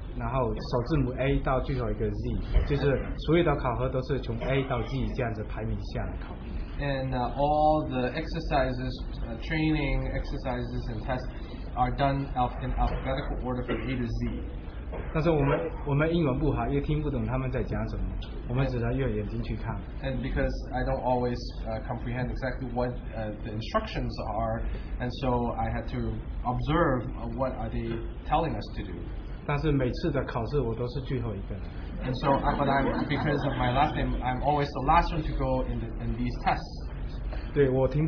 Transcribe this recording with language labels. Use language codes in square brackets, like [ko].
[zh] 然后首字母 A 到最后一个 Z， 就是所有的考核都是从 A 到 Z 这样子排名下来考。 [en] And all the exercises, training exercises and tests are done in alphabetical order from A to Z. [zh] 但是我们英文不好，又听不懂他们在讲什么，我们只能用眼睛去看。 [en] And because I don't always comprehend exactly what the instructions are, and so I had to observe what are they telling us to do. [zh] 但是每次的考试我都是最后一个。 [en] And so, but I'm because of my last name, I'm always the last one to go in these tests.